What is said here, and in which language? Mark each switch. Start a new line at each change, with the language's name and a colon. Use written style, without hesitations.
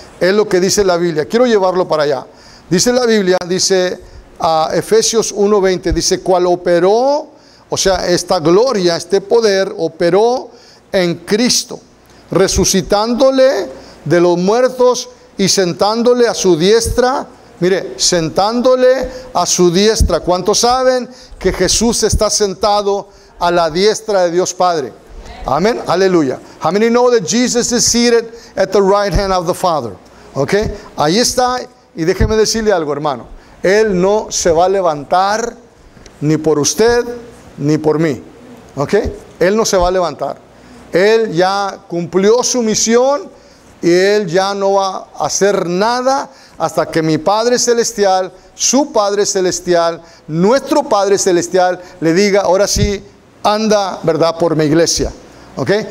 Spanish: Es lo que dice la Biblia. Quiero llevarlo para allá. Dice la Biblia, dice a Efesios 1:20, dice, cual operó, o sea, esta gloria, este poder, operó en Cristo, resucitándole de los muertos y sentándole a su diestra. Mire, sentándole a su diestra. ¿Cuántos saben que Jesús está sentado a la diestra de Dios Padre? Amén. Aleluya.
English: How many know that Jesus is seated at the right hand of the Father?
Spanish: Ok. Ahí está. Y déjeme decirle algo, hermano. Él no se va a levantar ni por usted ni por mí. Ok. Él no se va a levantar. Él ya cumplió su misión y Él ya no va a hacer nada hasta que mi Padre Celestial, su Padre Celestial, nuestro Padre Celestial, le diga, ahora sí, anda, ¿verdad?, por mi iglesia. ¿Ok?